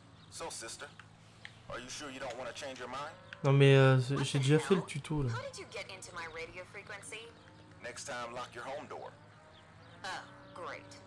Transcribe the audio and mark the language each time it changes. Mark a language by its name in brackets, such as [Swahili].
[English] So sister, are you sure you don't want to change your mind? [French] Non mais j'ai déjà fait le tuto là. [English] How did you get into my radio frequency? Next time lock your home door. Oh, great.